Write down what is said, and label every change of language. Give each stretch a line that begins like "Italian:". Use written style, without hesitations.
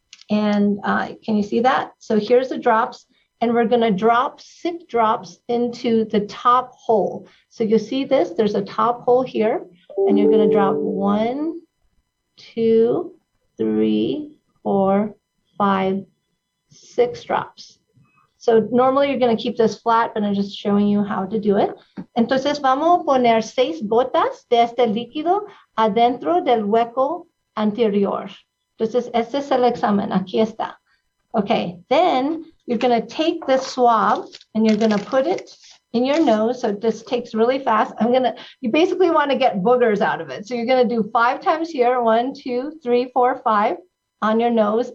English: And can you see that? So here's the drops. And we're going to drop 6 drops into the top hole. So you see this, there's a top hole here, and you're going to drop 1, 2, 3, 4, 5, 6 drops. So normally you're going to keep this flat, but I'm just showing you how to do it.
Spanish: Entonces vamos a poner 6 gotas de este líquido adentro del hueco anterior. Entonces este es el examen, aquí está.
English: Okay, then you're going to take this swab and you're going to put it in your nose. So this takes really fast. You basically want to get boogers out of it. So you're going to do 5 times here, 1, 2, 3, 4, 5 on your nose.